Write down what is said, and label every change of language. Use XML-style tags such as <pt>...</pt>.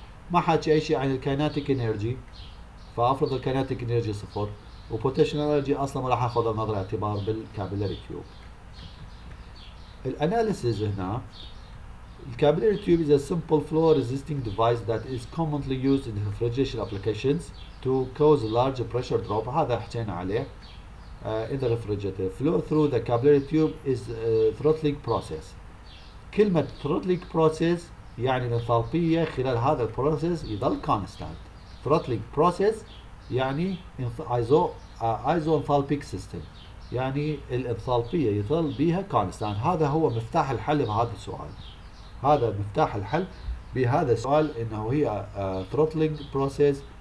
<ar>ما حاجة أي شيء عن الكيناتيك انرجي, فأفرض الكيناتيك انرجي صفر وبوتنشال انرجي أصلا ما راح أخذها بنظر الاعتبار بالكابلري تيوب.</ar> <en>الأناليسيز هنا, الكابلري tube is a simple flow resisting device that is commonly used in refrigeration applications to cause a large pressure drop.</en> <ar>هذا حكينا عليه</ar> <en>in the refrigerator. Flow through the capillary tube is a throttling process.</en> <ar>كلمة throttling process يعني الانثالبية خلال هذا البروسيس يظل constant. Throttling process يعني isoenthalpic system, يعني الانثالبية يظل بها constant. هذا هو مفتاح الحل بهذا السؤال. هذا مفتاح الحل بهذا السؤال, انه هي throttling process.</ar>